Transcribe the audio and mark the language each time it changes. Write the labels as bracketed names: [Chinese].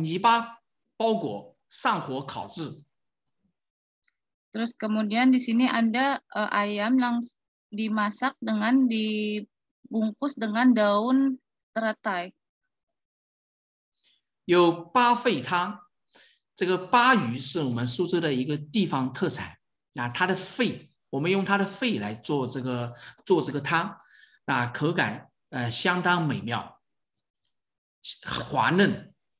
[Chinese] 有常熟的叫花鸡，就是用荷叶包裹加工好的鸡肉，然后用泥巴包裹上火烤制。 [Indonesian] Terus kemudian di sini ada ayam yang dimasak dengan dibungkus dengan daun teratai. [Chinese] 有巴肺汤，这个鲅鱼是我们苏州的一个地方特产。那它的肺，我们用它的肺来做这个汤，那口感相当美妙，滑嫩。